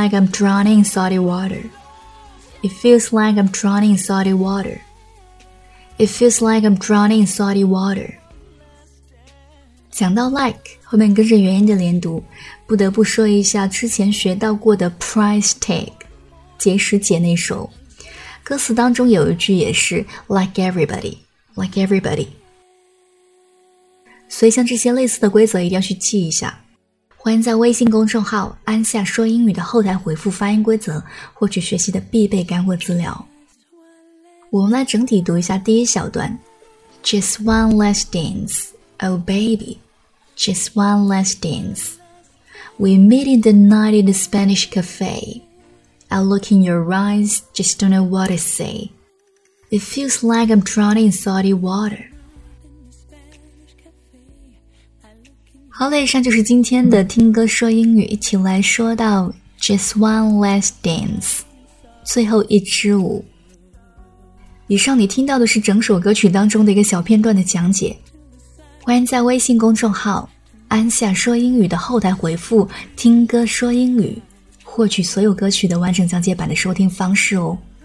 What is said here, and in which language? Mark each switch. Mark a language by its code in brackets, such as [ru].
[en] drowning in salty water. It feels like I'm drowning in salty water. It feels like I'm drowning in salty water. [zh] 讲到 like, 后面跟着元音的连读，不得不说一下之前学到过的 Price Tag, 结石姐那首。歌词当中有一句也是 [en] like everybody, like everybody。 [zh] 所以像这些类似的规则一定要去记一下。欢迎在微信公众号安夏说英语的后台回复发音规则，获取学习的必备干货资料。我们来整体读一下第一小段。 [en] Just one last dance, oh baby, just one last dance. We meet in the night in the Spanish cafe. I look in your eyes, just don't know what to say. It feels like I'm drowning in salty water. [zh] 好嘞，以上就是今天的听歌说英语，一起来说到 Just One Last Dance 最后一支舞。以上你听到的是整首歌曲当中的一个小片段的讲解，欢迎在微信公众号安夏说英语的后台回复听歌说英语，获取所有歌曲的完整讲解版的收听方式哦。